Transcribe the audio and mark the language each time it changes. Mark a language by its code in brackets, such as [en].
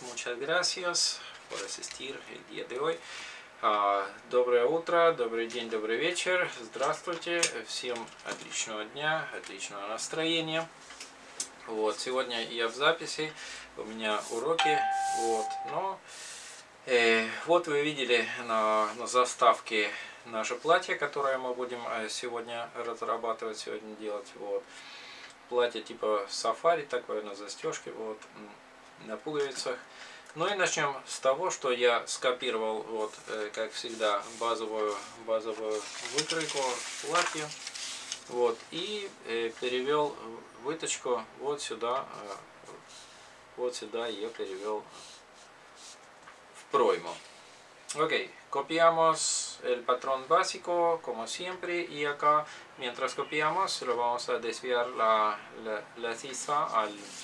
[es] Muchas gracias por asistir el día de hoy. [ru] Доброе утро, добрый день, добрый вечер. Здравствуйте. Всем отличного дня, отличного настроения. Вот, сегодня я в записи, у меня уроки. Вот, но вот вы видели на заставке наше платье, которое мы будем сегодня разрабатывать, сегодня делать. Вот. Платье типа сафари, такое на застежке, вот, на пуговицах. Ну и начнем с того, что я скопировал, вот, как всегда, базовую выкройку платья. Вот, и перевел выточку вот сюда. Вот сюда я перевел в пройму. Окей. [es] Copiamos el patrón básico, como siempre, y acá, mientras copiamos, lo vamos a desviar la sisa al...